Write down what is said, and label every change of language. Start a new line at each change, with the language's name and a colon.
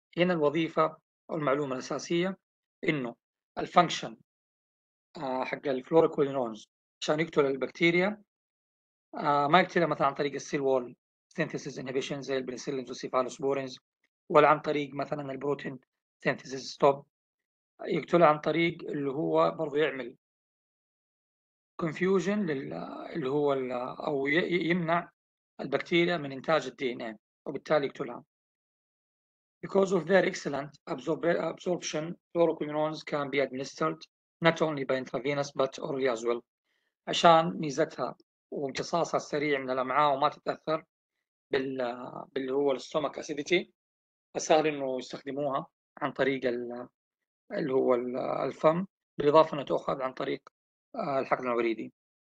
Arabic: هنا الوظيفة أو المعلومة الأساسية إنه الفانكشن حق الفلوروكوينونز عشان يقتل البكتيريا ما يقتلها مثلا عن طريق السيل وول synthesis inhibition زي البنسلين والسيفالوسبورينز ولا عن طريق مثلاً البروتين سينثيسيس ستوب يقتل عن طريق اللي هو برضو يعمل confusion اللي هو أو يمنع البكتيريا من إنتاج الـ DNA وبالتالي يقتلها.
English: Because of their excellent absorption, fluoroquinolones can be administered not only by intravenous but orally as well.
Arabic: عشان ميزتها وامتصاصها السريع من الأمعاء وما تتأثر باللي هو الستومك acidity فسهل إنه يستخدموها عن طريق اللي هو الفم بالإضافة إنه تأخذ عن طريق الحقن الوريدي.